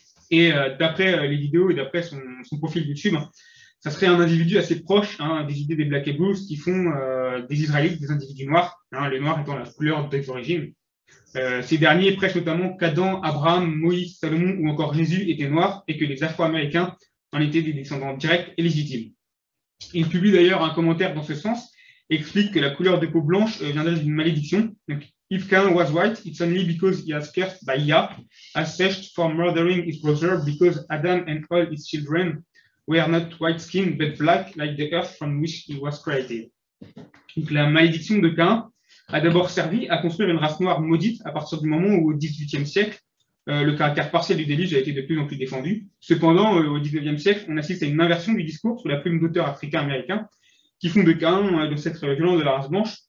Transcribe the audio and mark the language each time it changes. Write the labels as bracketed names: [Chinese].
[French] Et d'après les vidéos et d'après son profil YouTube, hein, ça serait un individu assez proche hein, des idées des Black and Blues qui font des Israélites, des individus noirs, hein, le noir étant la couleur des origines. Ces derniers prêchent notamment qu'Adam, Abraham, Moïse, Salomon ou encore Jésus étaient noirs et que les Afro-Américains en étaient des descendants directs et légitimes. Il publie d'ailleurs un commentaire dans ce sens, explique que la couleur de peau blanche viendrait d'une malédiction. [English] Donc, if Cain was white, it's only because he was cursed by Yah, as such for murdering his brother because Adam and all his children were not white skinned but black like the earth from which he was created. [French] Donc la malédiction de Cain a d'abord servi à construire une race noire maudite à partir du moment où, au XVIIIe siècle, le caractère partiel du déluge a été de plus en plus défendu. Cependant, au XIXe siècle, on assiste à une inversion du discours sous la plume d'auteurs africains-américains qui font de Cain de cette violence de la race blanche.